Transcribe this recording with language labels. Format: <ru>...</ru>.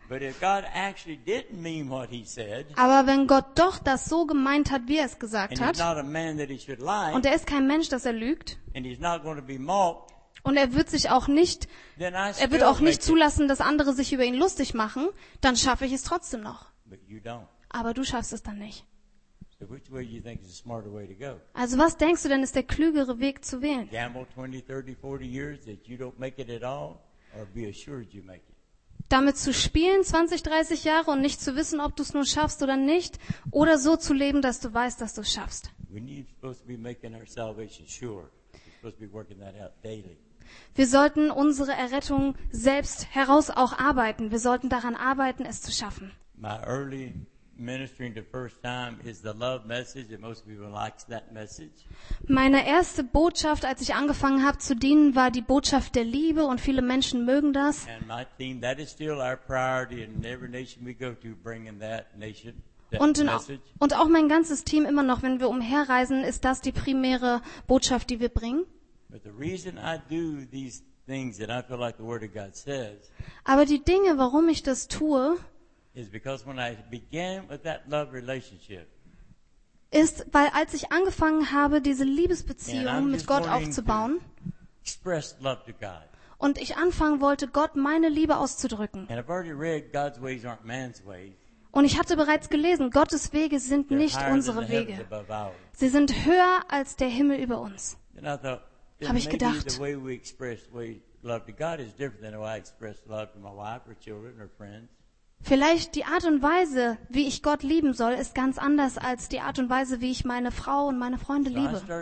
<de>Aber wenn Gott doch das so gemeint hat, wie er es gesagt hat, und er ist kein Mensch, dass er lügt, und er wird auch nicht zulassen, dass andere sich über ihn lustig machen, dann schaffe ich es trotzdem noch. Aber du schaffst es dann nicht.</de> <en>So which way do you think is the smarter way to go?</en> <de>Also was denkst du denn ist der klügere Weg zu wählen?</de> <en>Gamble 20, 30, 40 years that you don't make it at all or be assured you make it.</en> <de>Damit zu spielen 20, 30 Jahre und nicht zu wissen, ob du es nur schaffst oder nicht, oder so zu leben, dass du weißt, dass du es schaffst.</de> <en>We need supposed to be making our salvation sure. We're supposed to be working that out daily.</en> <de>Wir sollten unsere Errettung selbst heraus auch arbeiten. Wir sollten daran arbeiten, es zu schaffen.</de> <en>My early ministering the first time is the love message, and most people like that message.</en> <de>Meine erste Botschaft, als ich angefangen habe zu dienen, war die Botschaft der Liebe, und viele Menschen mögen das.</de> <en>And my team, that is still our priority in every nation we go to, bringing that nation that message.</en> <de>Und auch mein ganzes Team immer noch, wenn wir umherreisen, ist das die primäre Botschaft, die wir bringen.</de> <en>But the reason I do these things that I feel like the Word of God says.</en> <de>Aber die Dinge, warum ich das tue.</de> <en>Is because when I began with that love relationship,</en> <de>ist, weil als ich angefangen habe, diese Liebesbeziehung mit Gott aufzubauen,</de> <en>express love to God,</en> <de>und ich anfangen wollte, Gott meine Liebe auszudrücken.</de> <en>And I've already read God's ways aren't man's ways.</en> <de>Und ich hatte bereits gelesen, Gottes Wege sind</de> <en>They're</en> <de>nicht unsere Wege. Sie sind höher als der Himmel über uns. Habe ich gedacht.</de> <en>The way we express love to God is different than the way I express love to my wife or children or friends.</en> <de>Vielleicht die Art und Weise, wie ich Gott lieben soll, ist ganz anders als die Art und Weise, wie ich meine Frau und meine Freunde liebe.</de>